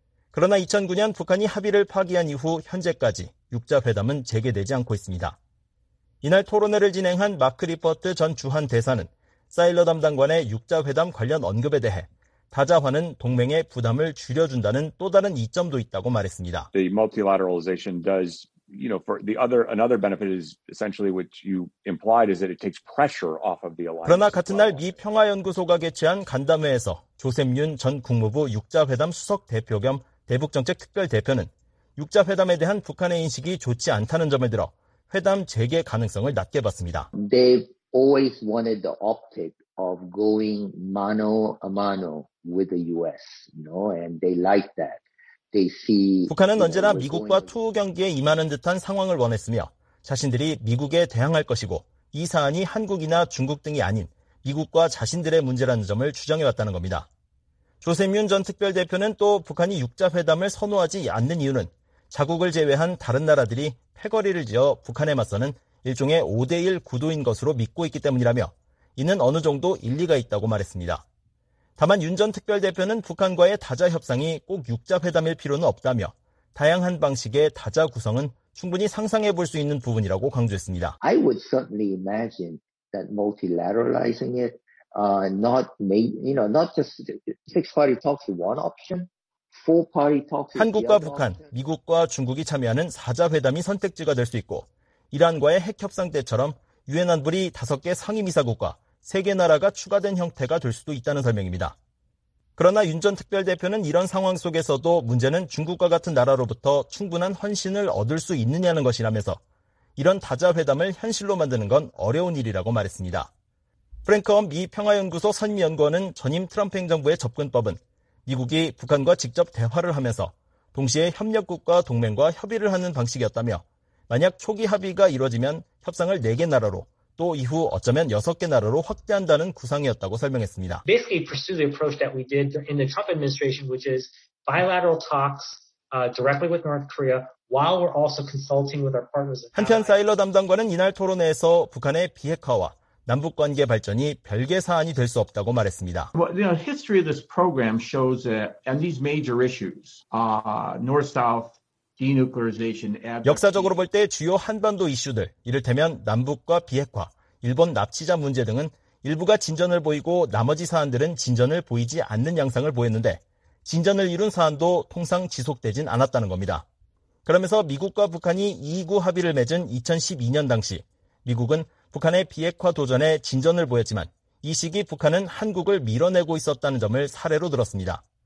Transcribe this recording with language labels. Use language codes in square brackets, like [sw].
[ko] 그러나 2009년 북한이 합의를 파기한 이후 현재까지 6자회담은 재개되지 않고 있습니다. 이날 토론회를 진행한 마크 리퍼트 전 주한대사는 사일러 담당관의 6자회담 관련 언급에 대해 다자화는 동맹의 부담을 줄여준다는 또 다른 이점도 있다고 말했습니다. [en] The multilateralization does, you know, for the other another benefit is essentially what you implied is that it takes pressure off of the alliance. [ko] 그러나 같은 날 미 평화연구소가 개최한 간담회에서 조셉 윤 전 국무부 6자회담 수석 대표 겸 대북정책 특별 대표는 육자회담에 대한 북한의 인식이 좋지 않다는 점을 들어 회담 재개 가능성을 낮게 봤습니다. [en] They've always wanted the optic of going mano a mano with the US, you know, and they like that. They see [ko] 북한은 언제나 미국과 투우 경기에 임하는 듯한 상황을 원했으며 자신들이 미국에 대항할 것이고 이 사안이 한국이나 중국 등이 아닌 미국과 자신들의 문제라는 점을 주장해왔다는 겁니다. 조세민 전 특별대표는 또 북한이 육자회담을 선호하지 않는 이유는 자국을 제외한 다른 나라들이 패거리를 지어 북한에 맞서는 일종의 5대1 구도인 것으로 믿고 있기 때문이라며 이는 어느 정도 일리가 있다고 말했습니다. 다만 윤 전 특별대표는 북한과의 다자 협상이 꼭 육자회담일 필요는 없다며 다양한 방식의 다자 구성은 충분히 상상해 볼 수 있는 부분이라고 강조했습니다. [en] I would certainly imagine that multilateralizing it, not just six-party talks is one option. [ko] 한국과 북한, 미국과 중국이 참여하는 4자 회담이 선택지가 될 수 있고 이란과의 핵협상 때처럼 유엔 안보리 5개 상임이사국과 3개 나라가 추가된 형태가 될 수도 있다는 설명입니다. 그러나 윤 전 특별대표는 이런 상황 속에서도 문제는 중국과 같은 나라로부터 충분한 헌신을 얻을 수 있느냐는 것이라면서 이런 다자 회담을 현실로 만드는 건 어려운 일이라고 말했습니다. 프랭크 엄 미 평화연구소 선임연구원은 전임 트럼프 행정부의 접근법은 미국이 북한과 직접 대화를 하면서 동시에 협력국과 동맹과 협의를 하는 방식이었다며 만약 초기 합의가 이루어지면 협상을 4개 나라로 또 이후 어쩌면 6개 나라로 확대한다는 구상이었다고 설명했습니다. [en] Basically pursue the approach that we did in the Trump administration, which is bilateral talks directly with North Korea while we're also consulting with our partners. [ko] 한편 사일러 담당관은 이날 토론회에서 북한의 비핵화와 남북 관계 발전이 별개 사안이 될 수 없다고 말했습니다. [en] Well, you know, history of this program shows that on these major issues, North-South denuclearization. [ko] 역사적으로 볼 때 주요 한반도 이슈들, 이를테면 남북과 비핵화, 일본 납치자 문제 등은 일부가 진전을 보이고 나머지 사안들은 진전을 보이지 않는 양상을 보였는데 진전을 이룬 사안도 통상 지속되진 않았다는 겁니다. 그러면서 미국과 북한이 2.29 합의를 맺은 2012년 당시 미국은 북한의 비핵화 도전에 진전을 보였지만 이 시기 북한은 한국을 밀어내고 있었다는 점을 사례로 들었습니다.